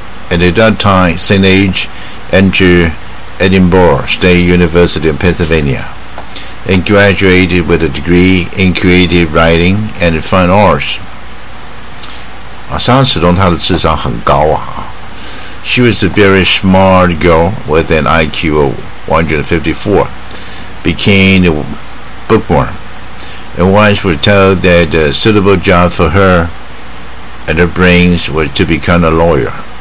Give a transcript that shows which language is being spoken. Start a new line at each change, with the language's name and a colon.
English: And at that time, same age, entered Edinburgh State University of Pennsylvania. And graduated with a degree in creative writing and fine arts.
Chinese: 啊，莎朗史东她的智商很高啊。
English: She was a very smart girl with an IQ of 154. Became a bookworm. And once was told that a suitable job for her and her brains was to become a lawyer.